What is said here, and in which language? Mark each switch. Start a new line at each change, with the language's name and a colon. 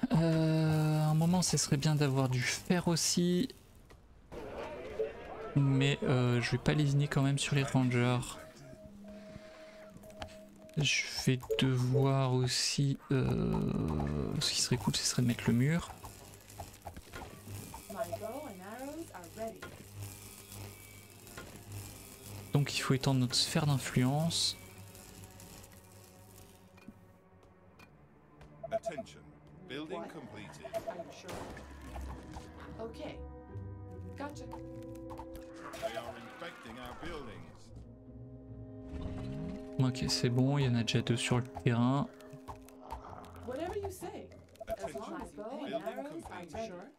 French: À un moment, ce serait bien d'avoir du fer aussi. Mais je vais pas lésiner quand même sur les rangers. Je vais devoir aussi... ce qui serait cool, ce serait de mettre le mur.
English: My bow and arrows are ready.
French: Donc il faut étendre notre sphère d'influence.
English: Attention, building completed. Okay. Gotcha. They are infecting our buildings.
French: Ok, c'est bon, il y en a déjà deux sur le terrain.
English: Whatever you say. Attention, building completed.